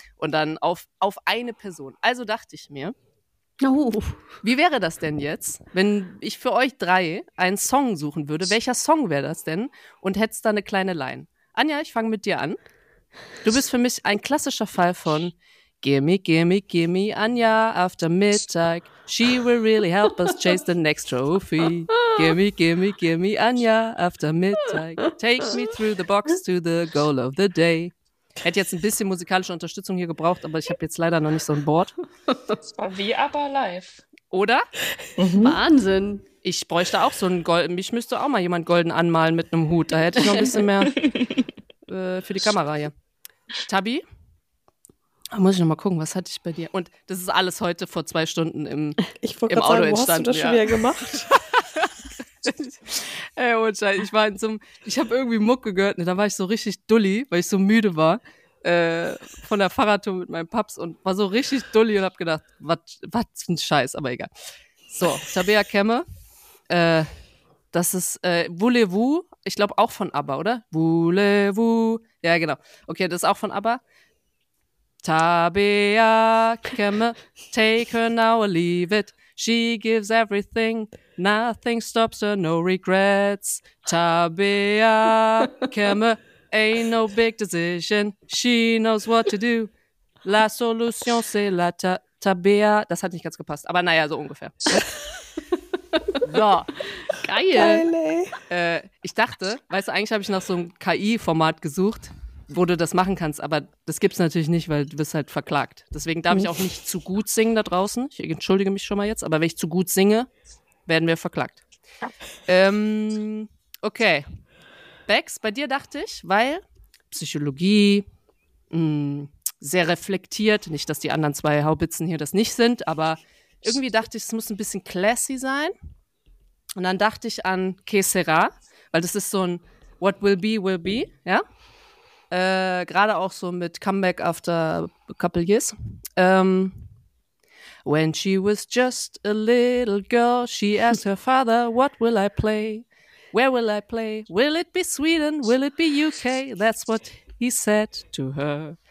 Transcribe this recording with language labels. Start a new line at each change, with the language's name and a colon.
German: Und dann auf eine Person. Also dachte ich mir, wie wäre das denn jetzt, wenn ich für euch drei einen Song suchen würde? Welcher Song wäre das denn? Und hättest da eine kleine Line. Anja, ich fange mit dir an. Du bist für mich ein klassischer Fall von
English: Gimme, gimme, gimme Anja after midnight. She will really help us chase the next trophy. Gimme, gimme, gimme Anja after midnight. Take me through the box to the goal of the day.
German: Hätte jetzt ein bisschen musikalische Unterstützung hier gebraucht, aber ich habe jetzt leider noch nicht so ein Board. Das war wie aber live. Oder? Mhm. Wahnsinn. Ich bräuchte auch so einen golden, mich müsste auch mal jemand golden anmalen mit einem Hut. Da hätte ich noch ein bisschen mehr für die Kamera hier. Tabi? Da muss ich noch mal gucken, was hatte ich bei dir? Und das ist alles heute vor 2 Stunden im Auto entstanden. Ich wollte gerade sagen, wo hast du das schon wieder gemacht? Ey, Mutter, ich war in so einem, ich habe irgendwie Mucke gehört, ne, da war ich so richtig dulli, weil ich so müde war von der Fahrradtour mit meinem Paps und war so richtig dulli und habe gedacht, was für ein Scheiß, aber egal. So, Tabea Kemme, das ist Voulez-vous, ich glaube auch von ABBA, oder? Voulez-vous, ja genau, okay, das ist auch von ABBA.
English: Tabea Kemme, take her now or leave it. She gives everything, nothing stops her, no regrets. Tabea Kemme, ain't no big decision, she knows what to do.
French: La solution, c'est la Tabea.
German: Das hat nicht ganz gepasst, aber naja, so ungefähr. So. Geil. Geil, ey. Ich dachte, weißt du, eigentlich habe ich nach so einem KI-Format gesucht, wo du das machen kannst, aber das gibt's natürlich nicht, weil du bist halt verklagt. Deswegen darf ich auch nicht zu gut singen da draußen. Ich entschuldige mich schon mal jetzt, aber wenn ich zu gut singe, werden wir verklagt. Okay. Bex, bei dir dachte ich, weil Psychologie, sehr reflektiert, nicht, dass die anderen zwei Haubitzen hier das nicht sind, aber irgendwie dachte ich, es muss ein bisschen classy sein. Und dann dachte ich an Que Sera, weil das ist so ein
English: What will be,
German: ja? Gerade auch so mit
English: Comeback after a couple years. When she was just a little girl, she asked her father, what will I play? Where will I play? Will it be Sweden? Will it be UK? That's what he said to her.